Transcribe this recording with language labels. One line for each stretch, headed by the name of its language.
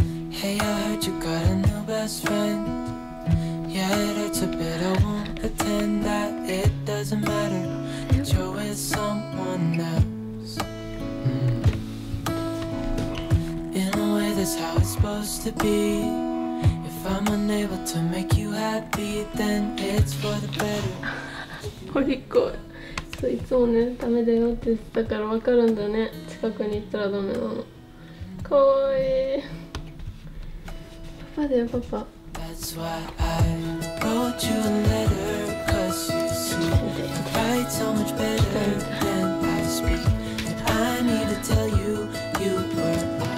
English: Hey, I heard you got a new best friend. Yeah, it's a bit I won't pretend that it doesn't matter that you're with someone now. That's how it's supposed to be. If I'm unable to make you happy, then it's for the better.
Japanese: ポリコ、そういつもね、ダメだよって言ってたから分かるんだね。近くに行ったらダメなの。かわいい。パパだよ、パパ。
English: That's why I wrote you a letter, cause you see, I write so much better than I speak. And I need to tell you, you were.